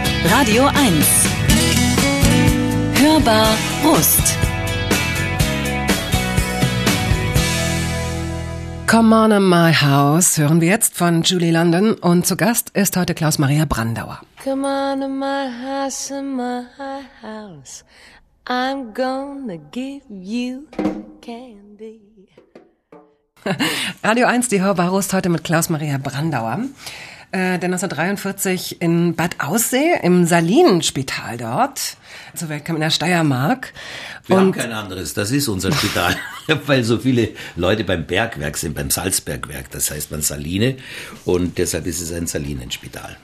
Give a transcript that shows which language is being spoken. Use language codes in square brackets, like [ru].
[de] Radio 1. Hörbar Rust. [en] Come on in my house, [de] hören wir jetzt von Julie London. Und zu Gast ist heute Klaus-Maria Brandauer. [en] Come on in my house, I'm gonna give you candy. [de] Radio 1, die Hörbar Rust, heute mit Klaus-Maria Brandauer. Der 1943 in Bad Aussee, im Salinenspital dort, zur Welt kam in der Steiermark. Wir haben kein anderes, das ist unser Spital, weil so viele Leute beim Bergwerk sind, beim Salzbergwerk, das heißt man Saline und deshalb ist es ein Salinenspital.